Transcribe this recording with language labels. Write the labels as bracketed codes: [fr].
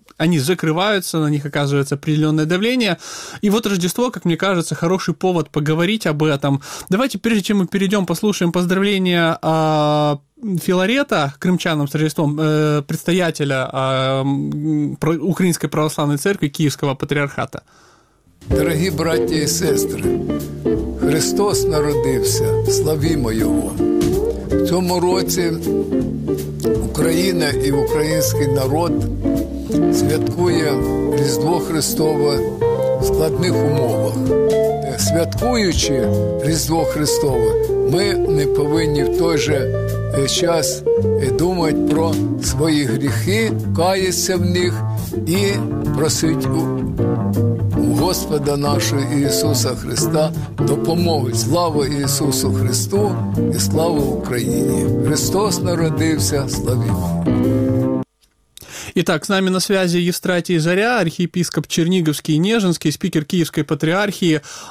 [ru] Они закрываются, на них оказывается определенное давление. И вот Рождество, как мне кажется, хороший повод поговорить об этом. Давайте, прежде чем мы перейдем, послушаем поздравления Филарета крымчанам с Рождеством, предстоятеля Украинской Православной Церкви Киевского патриархата. [uk] Дорогі браття і сестри, Христос народився, славімо Його. В цьому році Україна і український народ святкує Різдво Христове в складних умовах. Святкуючи Різдво Христове, ми не повинні в той же час думати про свої гріхи, каятися в них і просити у Господа Господа нашого Ісуса Христа, допомоги. Слава Ісусу Христу і слава Україні! Христос народився, славімо! [ru] Итак, с нами на связи Евстратий Заря, архиепископ Черниговский и Нежинский, спикер Киевской Патриархии.